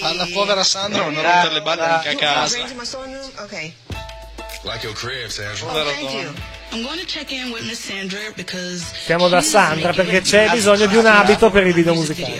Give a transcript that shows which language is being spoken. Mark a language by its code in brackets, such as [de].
[it] Alla povera Sandra, non rompere le balle anche a casa. [en] Like your crib, Sandra. Oh, I'm going to check in with Miss Sandra because [it] siamo da Sandra perché c'è bisogno di un abito per il video musicale.